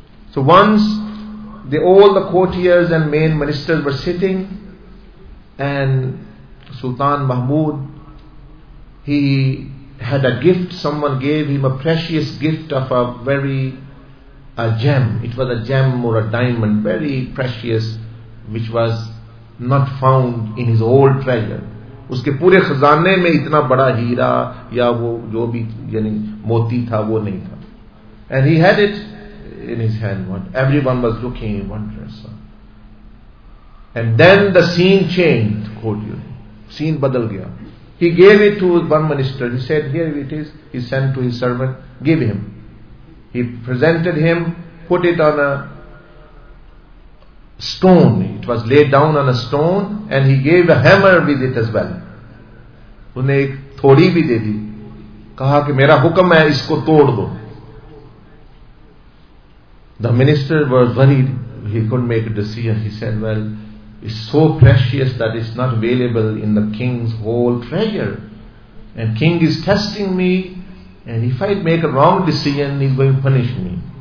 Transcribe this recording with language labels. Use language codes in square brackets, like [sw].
[en] So once all the courtiers and main ministers were sitting, and Sultan Mahmud, he had a gift. Someone gave him a precious gift of a gem. It was a gem or a diamond, very precious, which was not found in his old treasure. [hi] उसके पूरे खजाने में इतना बड़ा हीरा या वो जो भी यानी मोती था वो नहीं था. [en] And he had it in his hand. Everyone was looking wondrous. And then the scene changed. [hi] Scene बदल गया. [en] He gave it to one minister. He said, "Here it is." He sent to his servant, "Give him." He presented him, put it on a stone. It was laid down on a stone, and he gave a hammer with it as well. [hi] उन्हें एक थोड़ी भी दे दी. कहा कि मेरा हुक्म है, इसको तोड़ दो. [en] The minister was worried. He couldn't make a decision. He said, "Well, it's so precious that it's not available in the king's whole treasure. And king is testing me. And if I make a wrong decision, he's going to punish me."